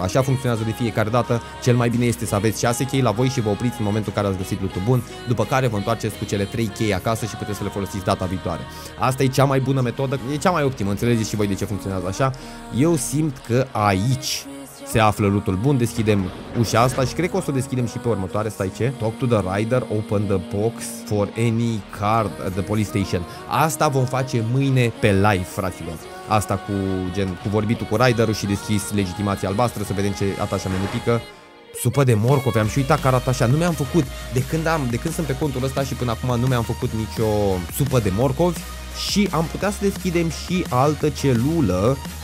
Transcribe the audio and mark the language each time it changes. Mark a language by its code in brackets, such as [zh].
[ro] Așa funcționează de fiecare dată. Cel mai bine este să aveți 6 chei la voi și vă opriți în momentul în care ați găsit loot-ul bun, după care vă întoarceți cu cele 3 chei acasă și puteți să le folosiți data viitoare. Asta e cea mai bună metodă, e cea mai optimă. Înțelegeți și voi de ce funcționează așa. Eu simt că aici se află loot-ul bun. Deschidem ușa asta și cred că o să o deschidem și pe următoare. Stai ce? [en] Talk to the rider, open the box for any card at the police station. [ro] Asta vom face mâine pe live, fraților. Asta cu gen cu vorbitul cu riderul și deschis legitimația albastră, să vedem ce atașamentul pică. Supă de morcov, am și uitat că arată așa. Nu mi-am făcut de când sunt pe contul ăsta și până acum nu mi-am făcut nicio supă de morcovi. Și am putea să deschidem și altă celulă